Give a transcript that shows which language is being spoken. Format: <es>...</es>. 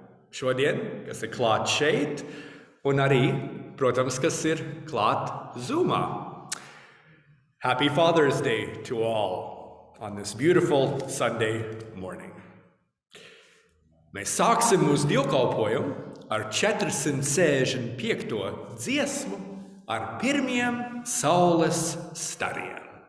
<lv>Šodien, kas ir klāt šeit, un arī, protams, kas ir klāt Zoomā.</lv> <en>Happy Father's Day to all on this beautiful Sunday morning.</en> <lv>Mēs sāksim mūsu dievkalpojumu ar 465. Dziesmu ar pirmiem saules stariem.</lv>